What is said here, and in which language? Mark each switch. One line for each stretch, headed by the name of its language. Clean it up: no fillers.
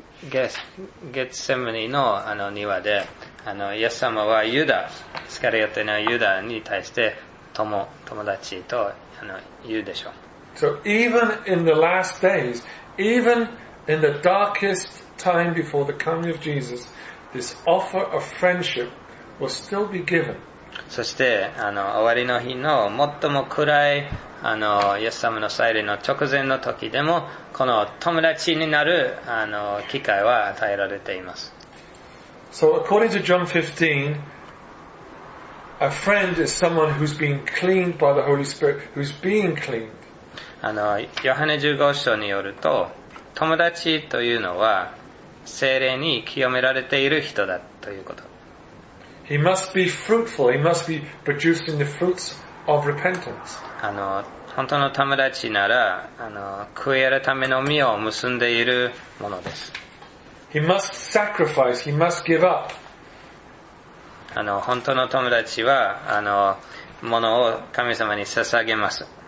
Japanese: ゲッセムニの庭で、イエス様はユダ、スカリオテのユダに対して友達と言うでしょう。
English: So even in the last days, even in the darkest time before the coming of Jesus, this offer of friendship will still be given.
Japanese: そして、終わりの日の最も暗い、イエス様の再臨の直前の時でも、この友達になる、機会は与えられています。
English: So according to John 15, a friend is someone who's been cleaned by the Holy Spirit, who's being cleaned.
Japanese: ヨハネ15章によると、友達というのは、聖霊に清められている人だということ。
English: He must be fruitful. He must be producing the fruits of repentance.
Japanese: 本当の友達なら、悔い改めの実を結んでいるものです。
English: He must sacrifice. He must give up.
Japanese: 本当の友達は、ものを神様に捧げます。